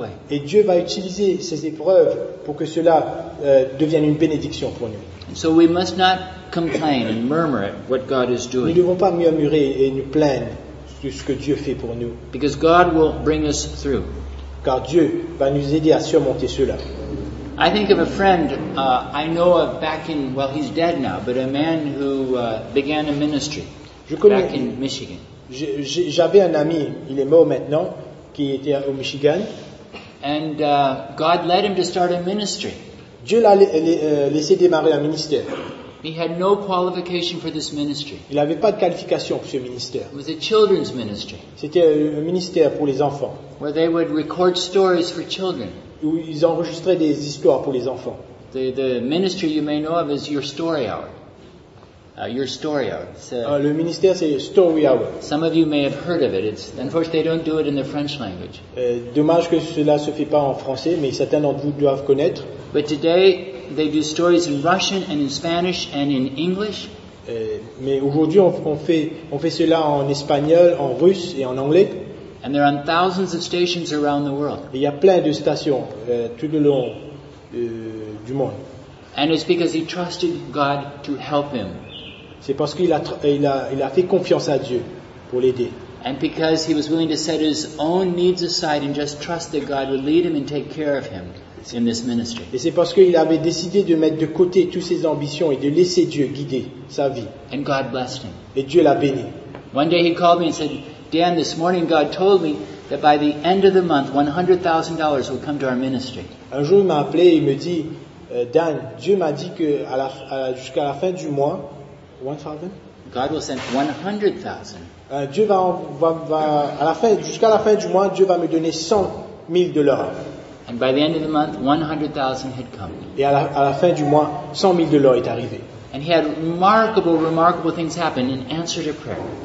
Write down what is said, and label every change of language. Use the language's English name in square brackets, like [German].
[French] Et Dieu va utiliser ces épreuves pour que cela devienne une bénédiction pour nous. [English] So we must not complain and murmur at what God is doing. [French] Nous ne devons pas murmurer et nous plaindre de ce que Dieu fait pour nous. [English] Because God will bring us through. [French] Car Dieu va nous aider à surmonter cela. [English] I think of a friend I know of back in, well, he's dead now, but a man who began a ministry back in Michigan. [French] J'avais un ami, il est mort maintenant, qui était au Michigan. [English] And God led him to start a ministry. [French] Dieu l'a laissé démarrer un ministère. [English] He had no qualification for this ministry. [French] Il n'avait pas de qualification pour ce ministère. [English] It was a children's ministry. [French] C'était un ministère pour les enfants. [English] Where they would record stories for children. [French] Où ils enregistraient des histoires pour les enfants. [English] The ministry you may know of is Your Story Hour. Your Story Hour. [French] Le ministère c'est Story Hour. [English] Some of you may have heard of it. Unfortunately, they don't do it in the French language. [French] Dommage que cela se fait pas en français, mais certains d'entre vous doivent connaître. [English] But today they do stories in Russian and in Spanish and in English. [French] Mais aujourd'hui on fait cela en espagnol, en russe et en anglais. [English] And they're on thousands of stations around the world. [French] Il y a plein de stations tout le long du monde. [English] And it's because he trusted God to help him. [French] C'est parce qu'il a fait confiance à Dieu pour l'aider. [English] And because he was willing to set his own needs aside and just trust that God would lead him and take care of him in this ministry. [French] Et c'est parce qu'il avait décidé de mettre de côté toutes ses ambitions et de laisser Dieu guider sa vie. [English] And God blessed him. [French] Et Dieu l'a béni. [English] One day he called me and said, Dan, this morning God told me that by the end of the month, $100,000 will come to our ministry. [French] Un jour il m'a appelé et il me dit, Dan, Dieu m'a dit que jusqu'à la fin du mois, [English] God will send 100,000. [French] Dieu va à la fin, jusqu'à la fin du mois, Dieu va me donner 100,000 dollars. [English] And by the end of the month, 100,000 had come. [French] Et à la fin du mois, 100,000 dollars est arrivé. [English] And he had remarkable things happen in answer to prayer.